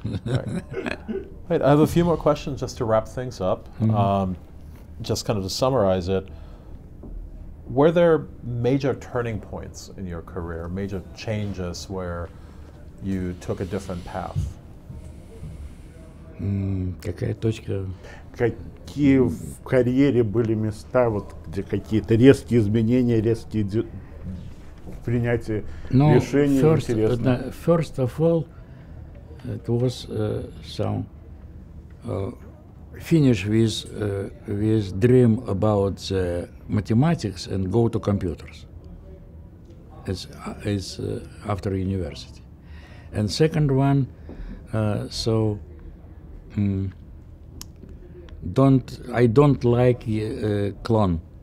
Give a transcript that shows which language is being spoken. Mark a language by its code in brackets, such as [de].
[en] Right. Wait, I have a few more questions just to wrap things up, just kind of to summarize it. Were there major turning points in your career, major changes where you took a different path? [ru] Какая точка? Какие в карьере были места, вот где какие-то резкие изменения, резкие принятия решений интересные? [en] First of all, it was some finish with dream about the mathematics and go to computers. It's after university. And second one, I don't like clone.